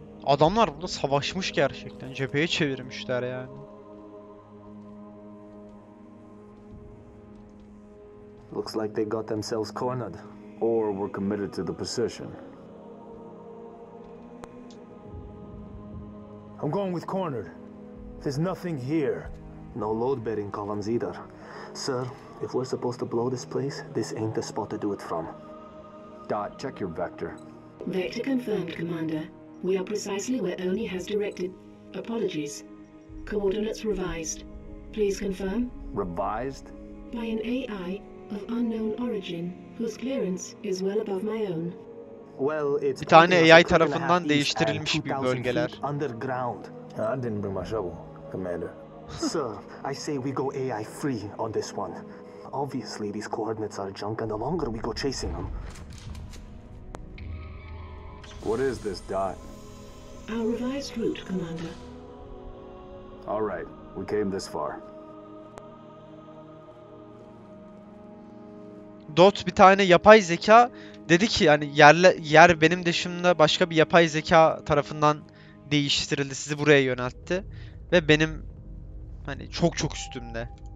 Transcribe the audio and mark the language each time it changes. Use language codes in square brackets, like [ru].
[tr] Adamlar burada savaşmış gerçekten. Cepheye çevirmişler yani. [en] Looks like they got themselves cornered or were committed to the position. I'm going with cornered. There's nothing here. No load-bearing columns either. Sir, if we're supposed to blow this place, this ain't the spot to do it from. Dot, check your vector. Vector confirmed, Commander. We are precisely where Oni has directed. Apologies. Coordinates revised. Please confirm. Revised? By an AI of unknown origin, whose clearance is well above my own. Well, it's [tr] bir tane AI tarafından değiştirilmiş bir bölgeler. [en] Underground. I didn't bring my shovel, Commander. Sir, I say we go AI free on this one. Obviously, these coordinates are junk, and the longer we go chasing them. What is this, Dot? Our revised route, Commander. All right, we came this far. [tr] Dot bir tane yapay zeka dedi ki hani yer benim dışımda başka bir yapay zeka tarafından değiştirildi, sizi buraya yöneltti ve benim hani çok çok üstümde.